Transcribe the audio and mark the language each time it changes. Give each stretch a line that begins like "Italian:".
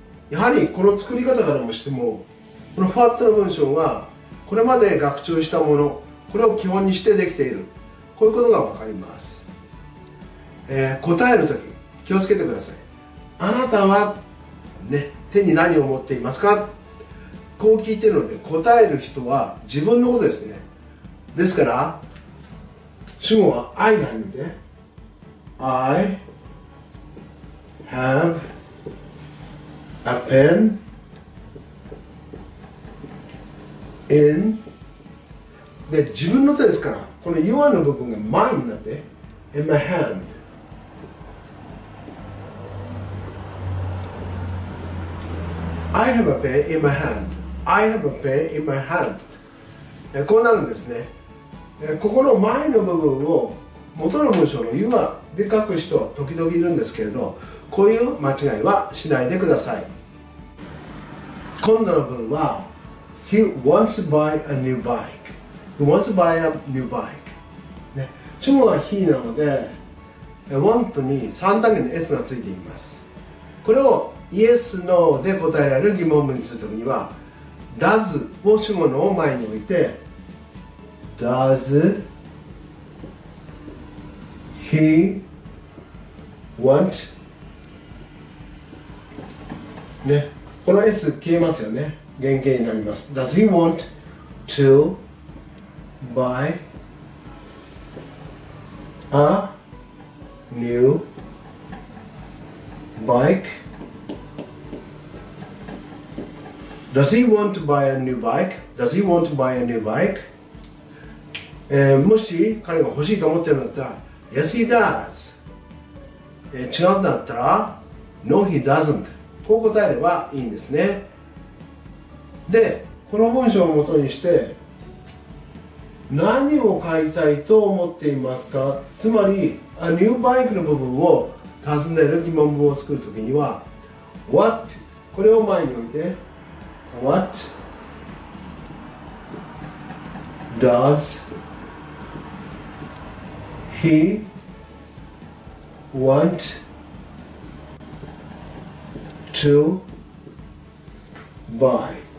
Japanese: やはりこの作り方からもしても、このファットの文章はこれまで学習したもの、これを基本にしてできている、こういうことが分かります。答えるとき気をつけてください。あなたは、ね、手に何を持っていますか、こう聞いているので、答える人は自分のことですね。ですから主語は I が入って、 IHave a pen in で自分の手ですから、この You are の部分が前になって In my hand、
English: I have a pen in my hand、 I have a pen in my hand、こうなるんですね。
Japanese: ここの前の部分を元の文章の You are で書く人時々いるんですけれど、こういう間違いはしないでください。
English: 今度の文は He wants to buy a new bike、 He wants to buy a new bike、ね、主語は He なので Want に3単元の S がついています。
Japanese: これを Yes, No で答えられる疑問文にするときには、 Does を主語の前に置いて Does He want ね、この S 消えますよね。原型になります。
English: Does he want to buy a new bike? Does he want to buy a new bike? Does he want to buy a new bike?、もし彼が欲しいと思ってるんだったら Yes, he does、違うんだったら No, he doesn't。
Japanese: こう答えればいいんですね。で、この文章をもとにして何を買いたいと思っていますか、つまり A new bike の部分を尋ねる疑問文を作るときには What、 これを前に置いて What does he want to buy?